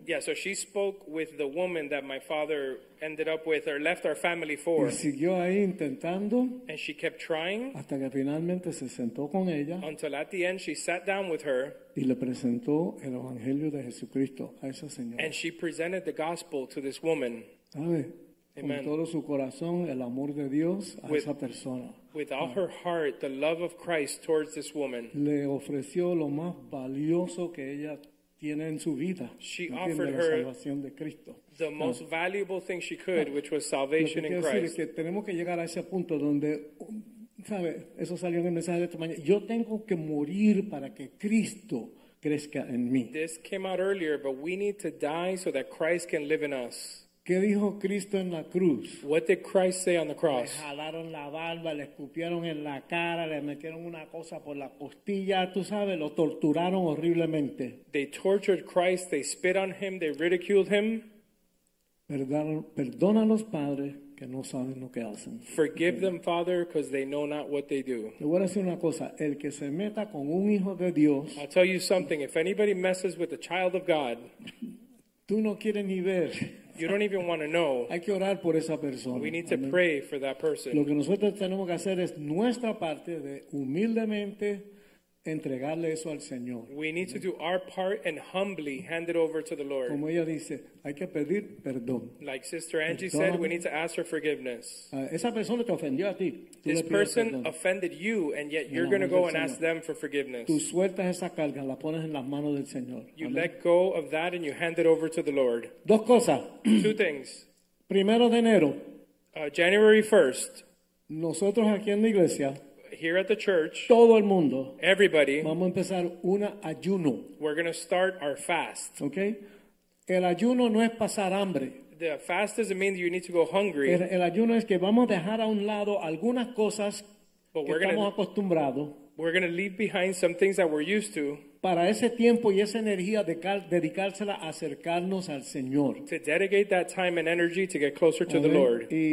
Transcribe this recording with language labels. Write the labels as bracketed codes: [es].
[en] Yeah, so she spoke with the woman that my father ended up with or left our family for. [es] Y siguió ahí intentando. [en] And she kept trying. [es] Hasta que finalmente se sentó con ella. [en] Until at the end she sat down with her. [es] Y le presentó el Evangelio de Jesucristo a esa señora. [en] And she presented the gospel to this woman. Amen. [es] Con todo su corazón, el amor de Dios a esa persona. [en] With all her heart, the love of Christ towards this woman. [es] Le ofreció lo más valioso que ella tiene en su vida. [en] She offered her [es] la salvación de Cristo. [en] The most valuable thing she could, which was salvation in Christ. [es] Lo que quiero decir es que tenemos que llegar a ese punto donde, ¿sabe? Eso salió en el mensaje de esta mañana. Yo tengo que morir para que Cristo crezca en mí. [en] This came out earlier, but we need to die so that Christ can live in us. [es] ¿Qué dijo Cristo en la cruz? [en] What did Christ say on the cross? [es] Le jalaron la barba, le escupieron en la cara, le metieron una cosa por la costilla, tú sabes, lo torturaron horriblemente. [en] They tortured Christ, they spit on him, they ridiculed him. [es] Perdona a los padres que no saben lo que hacen. [en] Forgive them, Father, because they know not what they do. [es] Te voy a decir una cosa, el que se meta con un hijo de Dios. [en] I'll tell you something, if anybody messes with a child of God, [es] tú no quieres ni ver. [en] You don't even want to know. [es] Hay que orar por esa persona. [en] We need to pray for that person. [es] Lo que nosotros tenemos que hacer es nuestra parte de humildemente entregarle eso al Señor. [en] We need to do our part and humbly hand it over to the Lord. [es] Como ella dice, hay que pedir perdón. [en] Like Sister Angie said, we need to ask for forgiveness. [es] Esa persona te ofendió a ti. [en] This person offended you, and yet you're going to go and ask them for forgiveness. [es] Tú sueltas esa carga, la pones en las manos del Señor. [en] You let go of that and you hand it over to the Lord. [es] Dos cosas. [en] Two things. [es] Primero de enero. [en] January 1st. [es] Nosotros aquí en la iglesia. [en] Here at the church, [es] todo el mundo, [en] everybody, [es] vamos a empezar un ayuno. [en] We're going to start our fast. [es] Okay? El ayuno no es pasar hambre. [en] The fast doesn't mean that you need to go hungry. [es] El ayuno es que vamos a dejar a un lado algunas cosas que estamos acostumbrados. [en] We're going to leave behind some things that we're used to. [es] Para ese tiempo y esa energía dedicársela a acercarnos al Señor. [en] To dedicate that time and energy to get closer to the Lord.